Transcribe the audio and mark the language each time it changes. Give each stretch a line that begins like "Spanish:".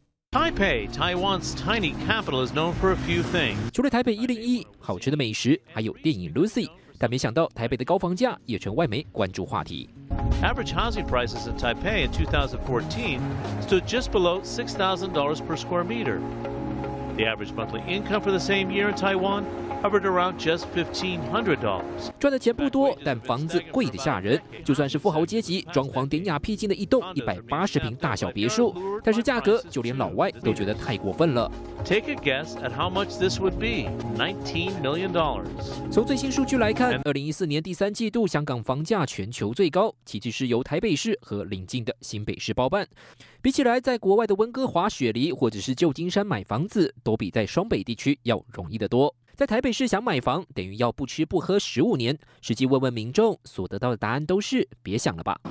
English: Taipei, Taiwan's tiny capital, is known for a few things.
Chinese: 除了台北101好吃的美食，还有电影 Lucy。但没想到台北的高房价也成外媒关注话题。
English: Average housing prices in Taipei in 2014 stood just below $6,000 per square meter. The average monthly income for the same year in Taiwan hovered around just $1,500.
Chinese: 赚的钱不多，但房子贵得吓人。就算是富豪阶级装潢典雅僻静的一栋180平大小别墅，但是价格就连老外都觉得太过分了。
English: Take a guess at how much this would be? $19 million.
Chinese: 从最新数据来看，2014年第三季度香港房价全球最高，其次是由台北市和邻近的新北市包办。比起来，在国外的温哥华、雪梨或者是旧金山买房子，都比在双北地区要容易得多。在台北市想买房，等于要不吃不喝15年。实际问问民众，所得到的答案都是别想了吧。